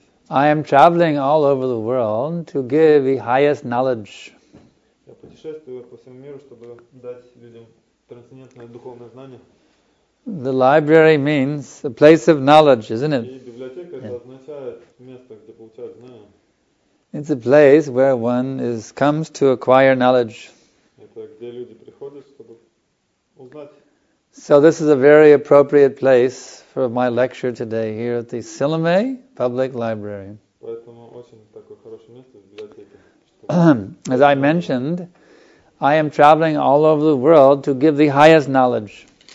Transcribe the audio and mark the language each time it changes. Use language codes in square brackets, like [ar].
[en] I am traveling all over the world to give the highest knowledge. [ru] Я путешествую по всему миру, чтобы дать людям трансцендентное духовное знание. [en] The library means a place of knowledge, isn't it? [ru] И библиотека это означает место, где получают знания. [en] It's a place where one comes to acquire knowledge. [ru] Это где люди приходят, чтобы узнать. [en] So this is a very appropriate place for my lecture today here at the Sillamäe Public Library. [ru] Поэтому очень такое хорошее место в библиотеке. [en] As I mentioned, I am traveling all over the world to give the highest knowledge.